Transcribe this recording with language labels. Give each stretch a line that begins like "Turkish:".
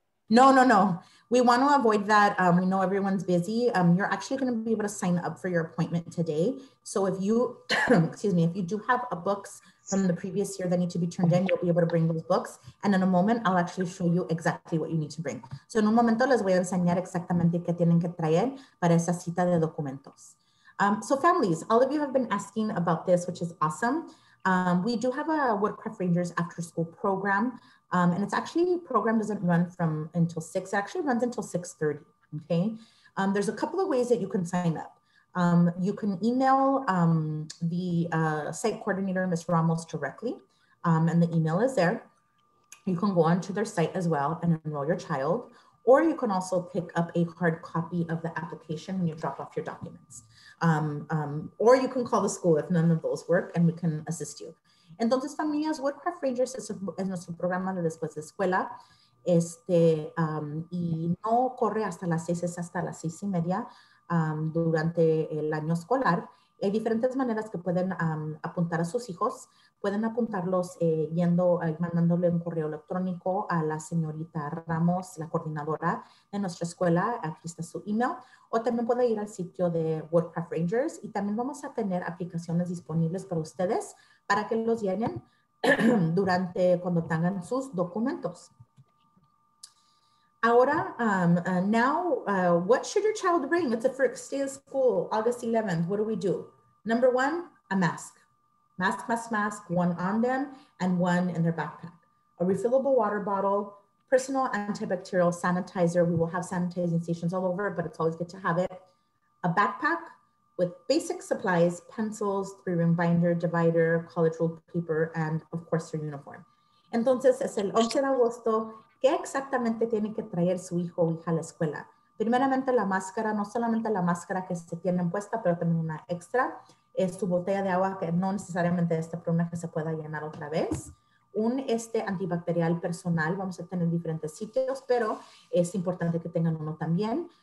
English: No. We want to avoid that. We know everyone's busy. You're actually gonna be able to sign up for your appointment today. So if you, excuse me, if you do have a books from the previous year that need to be turned in, you'll be able to bring those books. And in a moment, I'll actually show you exactly what you need to bring.
Spanish: So en un momento les voy a enseñar exactamente qué tienen que traer para esa cita de documentos.
English: So families, all of you have been asking about this, which is awesome. We do have a Woodcraft Rangers after school program. And it's actually, program doesn't run from until 6, it actually runs until 6:30, okay? There's a couple of ways that you can sign up. You can email the site coordinator, Ms. Ramos, directly, and the email is there. You can go onto their site as well and enroll your child, or you can also pick up a hard copy of the application when you drop off your documents. Or you can call the school if none of those work and we can assist you.
Spanish: Entonces, familias, Woodcraft Rangers es nuestro programa de después de escuela. Y no corre hasta las 6, es hasta las 6:30 durante el año escolar. Hay diferentes maneras que pueden apuntar a sus hijos. Pueden apuntarlos mandándole un correo electrónico a la señorita Ramos, la coordinadora de nuestra escuela. Aquí está su email. O también puede ir al sitio de Woodcraft Rangers. Y también vamos a tener aplicaciones disponibles para ustedes para que los llenen durante cuando tengan sus documentos. Ahora,
English: what should your child bring? It's the first day of school, August 11th. What do we do? Number one, a mask. Mask, one on them and one in their backpack. A refillable water bottle, personal antibacterial sanitizer. We will have sanitizing stations all over, but it's always good to have it. A backpack with basic supplies, pencils, three-ring binder, divider, college ruled paper, and of course, their uniform.
Spanish: Entonces, es el 11 de agosto. ¿Qué exactamente tiene que traer su hijo o hija a la escuela? Primeramente, la máscara, no solamente la máscara que se tiene puesta, pero también una extra. Es su botella de agua, que no necesariamente esta prueba que se pueda llenar otra vez. Un antibacterial personal, vamos a tener diferentes sitios, pero es importante que tengan uno también.